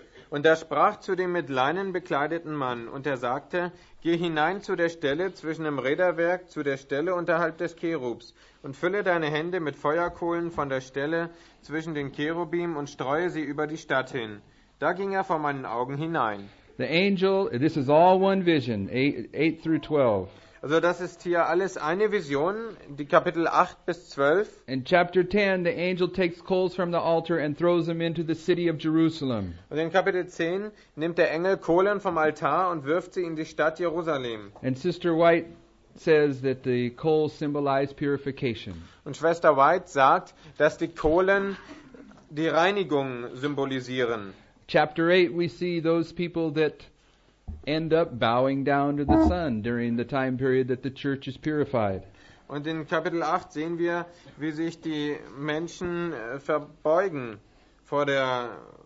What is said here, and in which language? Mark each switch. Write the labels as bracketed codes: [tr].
[de] Und er sprach zu dem mit Leinen bekleideten Mann, und er sagte, geh hinein zu der Stelle zwischen dem Räderwerk, zu der Stelle unterhalb des Cherubs, und fülle deine Hände mit Feuerkohlen von der Stelle zwischen den Cherubim und streue sie über die Stadt hin. Da ging er vor meinen Augen hinein. [en] The angel, this is all one vision, 8 through 12. [de] Also das ist hier alles eine Vision, die Kapitel 8 bis 12. [en] In chapter 10, the angel takes coals from the altar and throws them into the city of Jerusalem. [de] Und in Kapitel 10 nimmt der Engel Kohlen vom Altar und wirft sie in die Stadt Jerusalem. [en] And Sister White says that the coals symbolize purification. [de] Und Schwester White sagt, dass die Kohlen die Reinigung symbolisieren. [en] Chapter 8, we see those people that end up bowing down to the sun during the time period that the church is purified. [de] Und in Kapitel 8 sehen wir, wie sich die Menschen verbeugen vor der